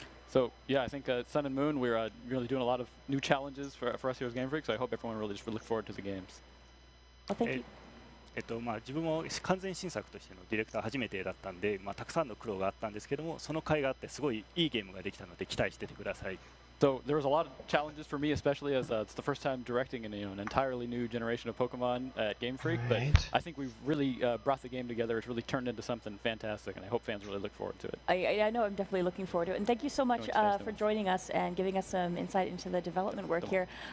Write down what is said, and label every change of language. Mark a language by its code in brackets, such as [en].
[en] So yeah, I think Sun and Moon, we're really doing a lot of new challenges for us here as Game Freak, so I hope everyone really just look forward to the games. Well, thank you. [ja] まあ、自分も完全新作としてのディレクター初めてだったんで、まあ、たくさんの苦労があったんですけども、その甲斐があってすごいいいゲームができたので期待しててください。 [en] So there was a lot of challenges for me, especially as it's the first time directing in, you know, an entirely new generation of Pokemon at Game Freak, but I think we've really brought the game together. It's really turned into something fantastic, and I hope fans really look forward to it. I know I'm definitely looking forward to it, and thank you so much for joining us and giving us some insight into the development work here.